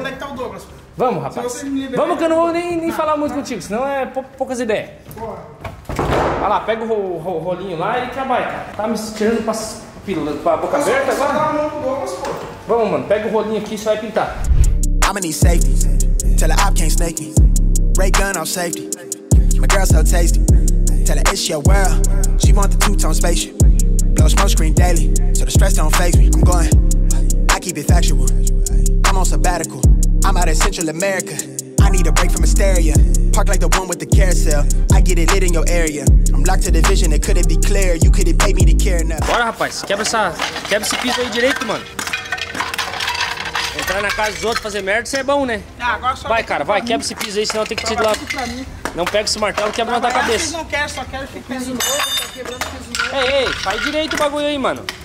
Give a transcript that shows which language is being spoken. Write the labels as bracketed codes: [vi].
[pt] Onde é que tá o Douglas? Vamos, rapaz. Vamos que eu não vou nem falar muito contigo, senão é poucas ideias. Porra. Vai lá, pega o rolinho lá e trabalha. Tá me tirando pra pílula com a boca aberta agora? Vamos, mano, pega o rolinho aqui e você vai pintar. [en] I'm gonna need safety. Tell the op can't snake me. Ray gun on safety. My girl so tasty. Tell her it's your world. She want the two-tone spaceship. Blow smoke screen daily. So the stress don't faze me. I'm going. I keep it factual. I'm on sabbatical. I'm out of Central America. I need a break from hysteria. Park like the one with the carousel. I get it lit in your area. I'm locked to the vision. It couldn't be clear. You couldn't pay me to care enough. [pt] Bora, rapaz. Quebra esse piso aí direito, mano. Entrar na casa dos outros fazer merda, você é bom, né? Tá, agora só. Vai, cara, vai, quebra esse piso aí, senão tem que te lá. Não pega esse martelo, quebra na tua cabeça. Vocês não querem, só querem que piso novo, tá quebrando piso novo. Ei, faz direito o bagulho aí, mano.